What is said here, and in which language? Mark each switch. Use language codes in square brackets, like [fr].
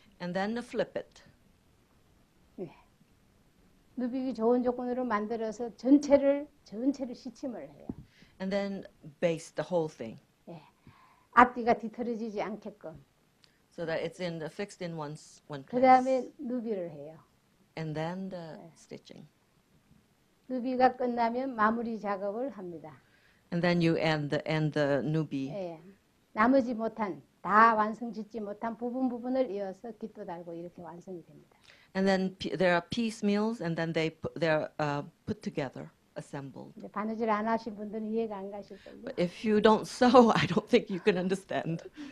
[en] And then to flip it. [ko] 네. 누비기 좋은 조건으로 만들어서 전체를 시침을 해요. [en] And then baste the whole thing. [ko] 네. 앞뒤가 뒤틀어지지 않게끔. [en] So that it's in the fixed in one place. [ko] 그다음에 누비를 해요. [en] And then the [ko] 네. [en] stitching. [ko] 누비가 끝나면 마무리 작업을 합니다. [en] And then you end the newbie. [ko] 네. 나머지 못한 다 완성 짓지 못한 부분 부분을 이어서 깃도 달고 이렇게 완성이 됩니다. [en] And then there are piecemeals, and then they're put together, assembled. [ko] 이제 바느질 안 하신 분들은 이해가 안 가실 거예요. [en] But if you don't sew, I don't think you can understand.